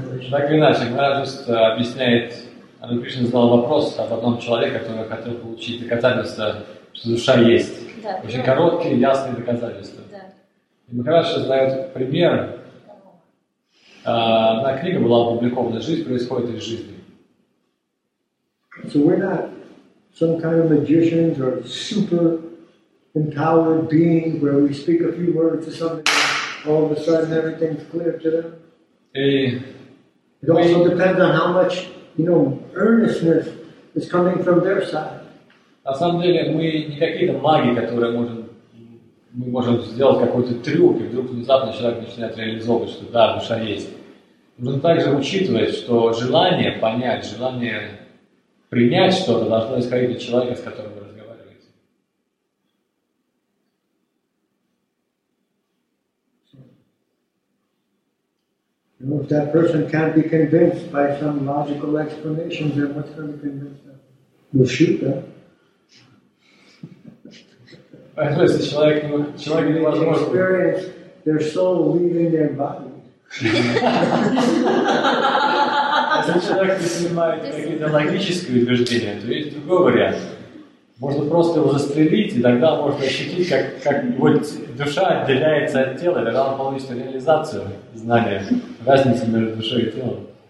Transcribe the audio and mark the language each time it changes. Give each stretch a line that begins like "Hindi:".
Russian: Так или иначе, Махарадж объясняет, Анукришна задал вопрос об одном человеке, который хотел получить доказательство, что душа есть. Да. Очень короткие, ясные доказательства. Да. И Махарадж задает пример. Одна книга была опубликована, «Жизнь происходит из жизни».
English: So we're not some kind of magicians or super empowered being where we speak a few words to somebody, all of a sudden everything's clear to them.
Russian: И
English: It also depends on how much, you know, earnestness is coming from their side.
Russian: На самом деле мы не какие-то маги, которые можем мы можем сделать какой-то трюк, и вдруг внезапно человек начинает реализовывать, что да, душа есть. Нужно также учитывать, что желание понять, желание принять что-то должно исходить от человека, с которым вы разговариваете.
English: If that person can't be convinced by some logical explanation, then what's going to convince them? We'll shoot them.
Russian: Поэтому если человек, ну, человек невозможен. Если человек не снимает какие-то логические утверждения, то есть другой вариант. Можно просто его застрелить, и тогда можно ощутить, как вот душа отделяется от тела, и тогда он получит реализацию знания, разницы между душой и телом.